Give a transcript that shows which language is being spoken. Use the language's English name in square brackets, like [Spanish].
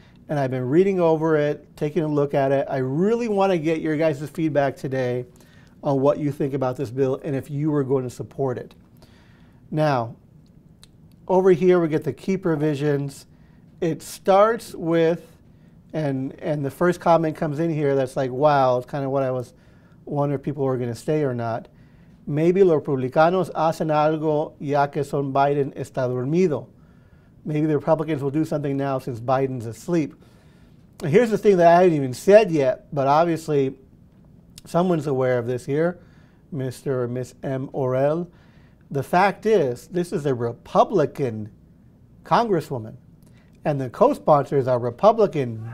[English] And I've been reading over it, taking a look at it. I really want to get your guys' feedback today on what you think about this bill and if you are going to support it. Now, over here we get the key provisions. It starts with, and the first comment comes in here that's like, wow, it's kind of what I was wondering if people were going to stay or not. Maybe [Spanish] los republicanos hacen algo ya que son Biden está dormido. [English] Maybe the Republicans will do something now since Biden's asleep. Here's the thing that I haven't even said yet, but obviously someone's aware of this here, Mr. or Ms. M. Orell. The fact is, this is a Republican congresswoman, and the co-sponsors are Republican.